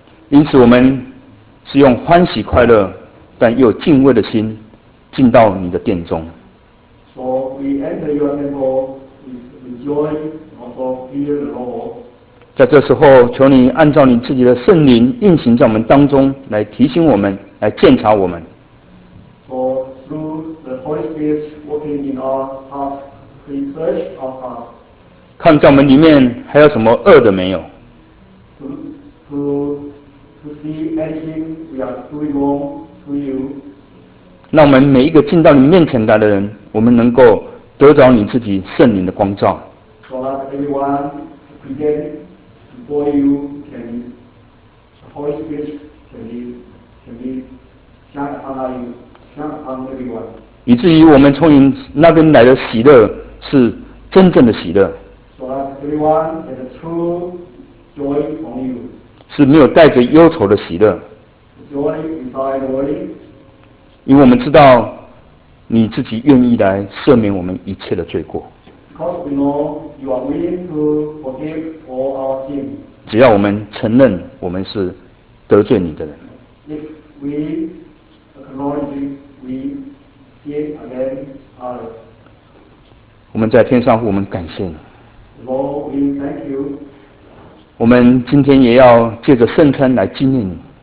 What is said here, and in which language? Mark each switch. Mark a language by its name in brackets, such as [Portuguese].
[Chinese] 因此，我们是用欢喜快乐，但又敬畏的心，进到你的殿中。 [English] So we enter your temple with joy, also fear the Lord. [Chinese] 在这时候，求你按照你自己的圣灵运行在我们当中，来提醒我们，来鉴察我们。 [English] So through the Holy Spirit working in our heart, we search our heart. [Chinese] 看在我们里面还有什么恶的没有 [English] ？To see anything we are doing wrong to you. [Chinese] 让我们每一个进到你面前来的人，我们能够得着你自己圣灵的光照。 [English] So that everyone present before you can the Holy Spirit can be shine upon you, shine upon everyone. [Chinese] 以至于我们从你那边来的喜乐是真正的喜乐。 [English] So that everyone has true joy from you. [Chinese] 是没有带着忧愁的喜乐。 [English] Joy inside worry. [Chinese] 因为我们知道你自己愿意来赦免我们一切的罪过。 [English] Because we know you are willing to forgive all our sin. [Chinese] 只要我们承认我们是得罪你的人。 [English] If we acknowledge we sin against others. [Chinese] 我们在天上父，我们感谢你。 [English] Lord, we thank you. [Chinese] 我们今天也要借着圣餐来纪念你。